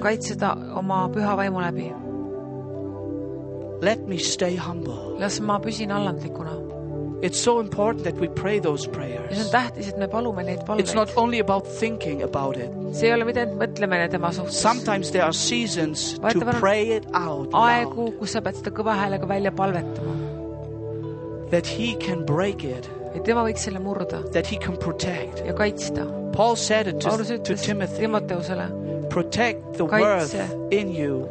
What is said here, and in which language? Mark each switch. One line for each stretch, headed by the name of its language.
Estonian: Kaitseda oma püha vaimu läbi.
English: Let me stay humble.
Estonian: Las ma püsin allandlikuna.
English: It's so important that we pray those prayers.
Estonian: See on tähtis, et me palume neid palveid.
English: It's not only about thinking about it.
Estonian: See ei ole mitte mõtleme neid tema suhtes.
English: Sometimes there are seasons to pray it out.
Estonian: Aegu, kus sa pead seda kõva häälega välja palvetama.
English: That he can break it.
Estonian: Et tema võiks selle murda.
English: That he can protect.
Estonian: Ja kaitsta.
English: Paul said it to Timothy.
Estonian: Timoteusele.
English: Protect the worth in you.